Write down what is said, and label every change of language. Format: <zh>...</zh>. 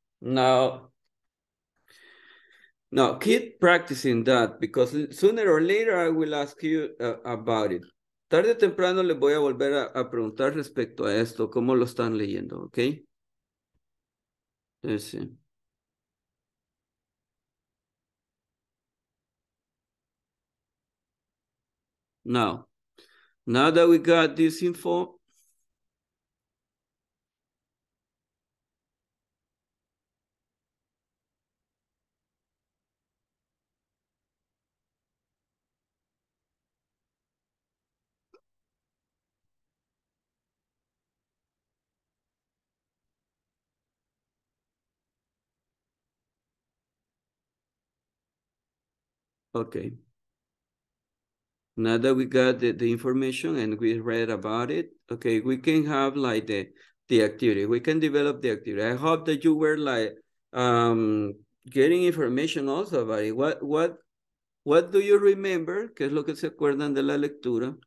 <en>Now, keep practicing that because sooner or later I will ask you about it.</en> <es>Tarde o temprano les voy a volver a preguntar respecto a esto, cómo lo están leyendo, ¿ok?</es> <en>Let's see. Now that we got this info, okay. Now that we got the information and we read about it, okay, we can have like the activity. We can develop the activity. I hope that you were like getting information also about it. What do you remember?</en> <es>¿Qué es lo que se acuerdan de la lectura?</es>